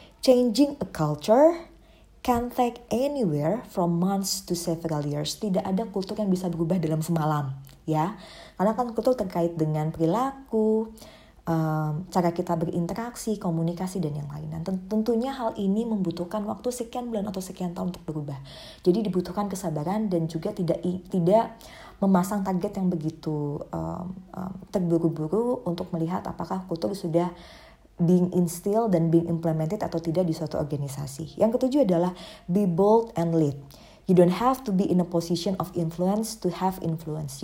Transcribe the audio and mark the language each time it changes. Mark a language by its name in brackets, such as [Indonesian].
[English] Changing a culture can take anywhere from months to several years. [Indonesian] Tidak ada kultur yang bisa berubah dalam semalam, ya. Karena kan kultur terkait dengan perilaku, cara kita berinteraksi, komunikasi, dan yang lain. Dan tentunya hal ini membutuhkan waktu sekian bulan atau sekian tahun untuk berubah. Jadi dibutuhkan kesabaran dan juga tidak memasang target yang begitu terburu-buru untuk melihat apakah kultur sudah [English] being instilled [Indonesian] dan [English] being implemented [Indonesian] atau tidak di suatu organisasi. Yang ketujuh adalah [English] be bold and lead. You don't have to be in a position of influence to have influence.